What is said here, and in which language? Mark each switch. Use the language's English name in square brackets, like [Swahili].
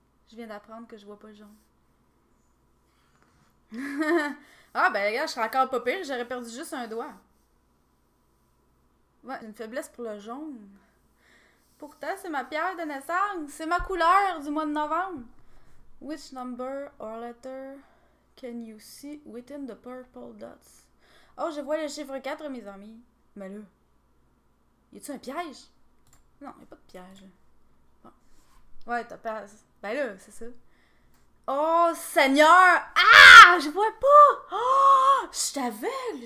[French] Je viens d'apprendre que je vois pas le jaune. Ah ben les gars, je serais encore pas pire, j'aurais perdu juste un doigt. Ouais, une faiblesse pour le jaune. Pourtant, c'est ma pierre de naissance. C'est ma couleur du mois de novembre. [English] Which number or letter can you see within the purple dots? [French] Oh, je vois le chiffre 4, mes amis. Mais là, y a-tu un piège? Non, y a pas de piège. Bon. Ouais, t'as pas. Ben là, c'est ça. Oh, Seigneur! Ah! Je vois pas! Oh! Je t'avais!